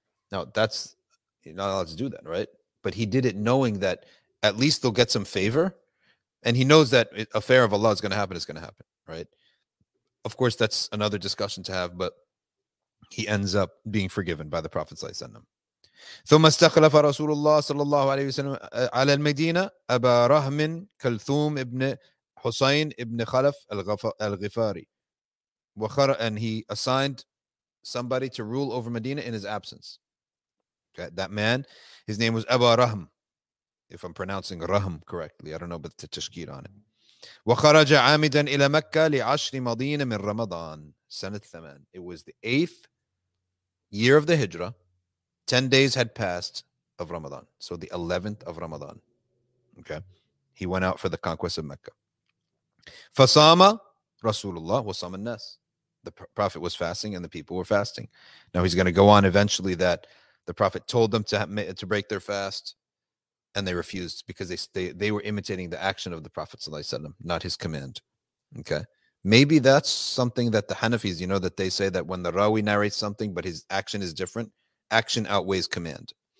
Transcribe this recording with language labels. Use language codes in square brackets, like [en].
[en] Now, that's, you're not allowed to do that, right? But he did it knowing that at least they'll get some favor. And he knows that affair of Allah is going to happen, right? Of course, that's another discussion to have, but he ends up being forgiven by the Prophet صلى الله عليه وسلم. [ar] ثم استخلف رسول الله صلى الله عليه وسلم على المدينة أبا رهم كلثوم ابن حسين ابن خلف الغفاري. [en] And he assigned somebody to rule over Medina in his absence. Okay, that man, his name was Abu Rahm, if I'm pronouncing Rahm correctly. I don't know about the tashkeer on it. [ar] وخرج عامدا إلى مكة لعشر مضين من رمضان سنة ثمان. [en] It was the 8th year of the Hijrah. 10 days had passed of Ramadan. So the 11th of Ramadan. Okay. He went out for the conquest of Mecca. [ar] فصام رسول الله وصام الناس. [en] The Prophet was fasting and the people were fasting. Now he's going to go on eventually that the Prophet told them to break their fast and they refused because they were imitating the action of the Prophet sallallahu alaihi wasallam, not his command. Okay. Maybe that's something that the Hanafis, you know, that they say that when the Rawi narrates something but his action is different, action outweighs command.